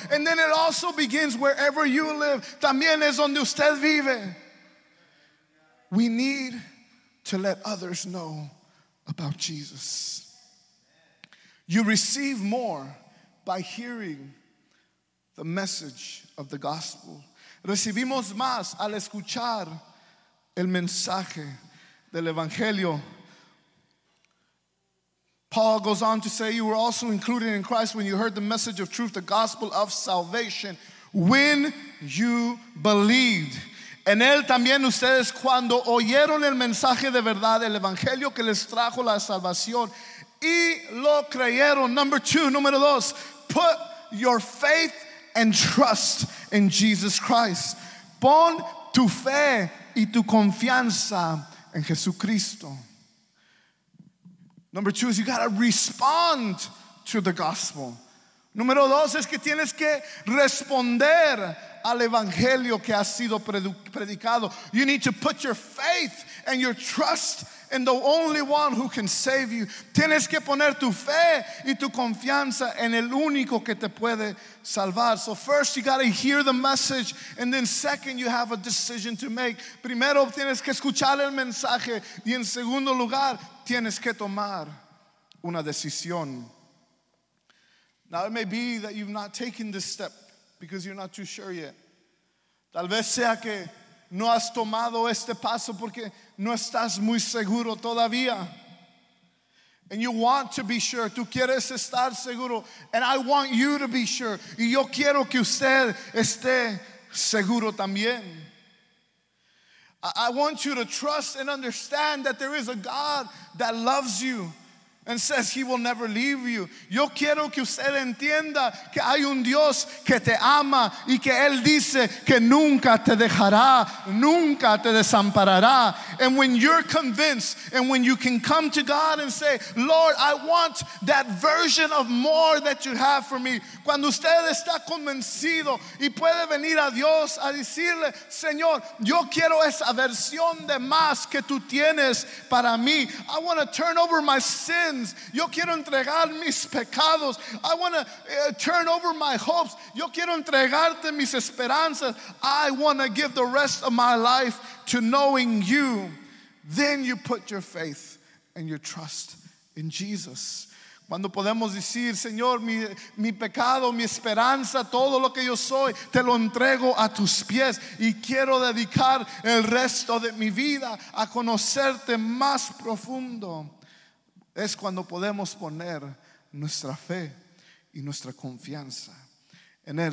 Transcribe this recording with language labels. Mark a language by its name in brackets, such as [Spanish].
[English] And then it also begins wherever you live. [Spanish] También es donde usted vive. [English] We need to let others know about Jesus. You receive more by hearing the message of the gospel. [Spanish] Recibimos más al escuchar el mensaje del evangelio. [English] Paul goes on to say, you were also included in Christ when you heard the message of truth, the gospel of salvation, when you believed. [Spanish] En él también ustedes cuando oyeron el mensaje de verdad, el evangelio que les trajo la salvación, y lo creyeron. [English] Number two, [Spanish] número dos, [English] put your faith and trust in Jesus Christ. [Spanish] Pon tu fe y tu confianza en Jesucristo. [English] Number two is you gotta respond to the gospel. [Spanish] Número dos es que tienes que responder al evangelio que ha sido predicado. [English] You need to put your faith and your trust in the only one who can save you. [Spanish] Tienes que poner tu fe y tu confianza en el único que te puede salvar. [English] So first you gotta hear the message, and then second you have a decision to make. [Spanish] Primero tienes que escuchar el mensaje, y en segundo lugar tienes que tomar una decisión. [English] Now it may be that you've not taken this step because you're not too sure yet. [Spanish] Tal vez sea que no has tomado este paso porque no estás muy seguro todavía. [English] And you want to be sure. [Spanish] Tú quieres estar seguro. [English] And I want you to be sure. [Spanish] Y yo quiero que usted esté seguro también. [English] I want you to trust and understand that there is a God that loves you and says he will never leave you. [Spanish] Yo quiero que usted entienda que hay un Dios que te ama y que él dice que nunca te dejará, nunca te desamparará. [English] And when you're convinced, and when you can come to God and say, Lord, I want that version of more that you have for me. [Spanish] Cuando usted está convencido y puede venir a Dios a decirle, Señor, yo quiero esa versión de más que tú tienes para mí. [English] I want to turn over my sins. [Spanish] Yo quiero entregar mis pecados. [English] I want to turn over my hopes. [Spanish] Yo quiero entregarte mis esperanzas. [English] I want to give the rest of my life to knowing you. Then you put your faith and your trust in Jesus. [Spanish] Cuando podemos decir, Señor, mi pecado, mi esperanza, todo lo que yo soy, te lo entrego a tus pies y quiero dedicar el resto de mi vida a conocerte más profundo. Es cuando podemos poner nuestra fe y nuestra confianza en él.